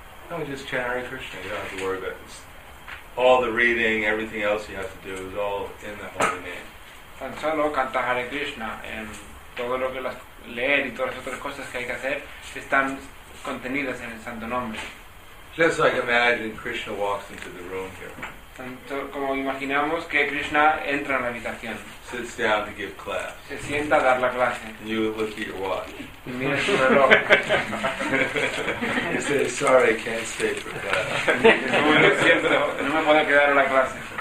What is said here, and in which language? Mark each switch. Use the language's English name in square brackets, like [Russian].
[English] No, just chant Hare Krishna, you don't have to worry about this. All the reading, everything else you have to do is all in the holy name. [Spanish] Tan solo canta Hare Krishna, todo lo que leer y todas las otras cosas que hay que hacer están contenidas en el santo nombre. [English] Just like imagine Krishna walks into the room here. [Spanish] Tanto como imaginamos que Krishna entra en la habitación. [English] Sits down to give class. [Spanish] Se sienta a dar la clase. [English] And you look at your watch. [Spanish] Y mira su reloj. [English] He says, sorry, I can't stay for class. [Spanish] No, lo siento, no me puedo quedar en la clase.